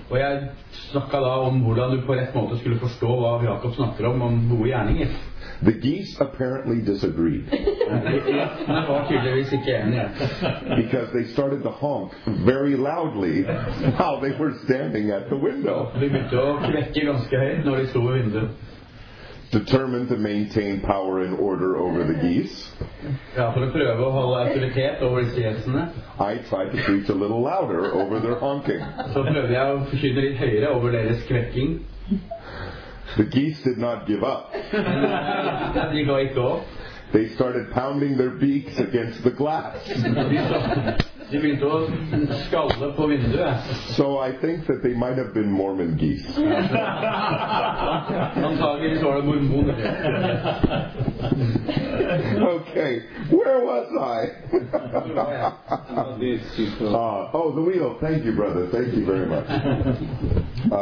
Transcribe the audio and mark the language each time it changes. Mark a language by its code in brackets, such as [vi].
[no] Og jeg snakket da om hvordan du på rett måte skulle forstå hva Jakob snakker om gode gjerninger. [en] The geese apparently disagreed. Because they started to honk very loudly while they were standing at the window. [no] De begynte å knekke ganske høyt når de sto ved vinduet. [en] Determined to maintain power and order over the geese. [no] Ja, for å prøve å holde autoritet over disse gjessene. [en] I tried to preach a little louder over their honking. [no] Så prøvde jeg å forkynne litt høyere over deres kvekking. [en] The geese did not give up. [no] De ga ikke opp. [en] They started pounding their beaks against the glass. [no] De begynte å skalle på vinduet. [en] So I think that they might have been Mormon geese. [no] Antagelig var det mormoner. [en] Okay, where was I? Oh, the wheel. Thank you, brother. Thank you very much.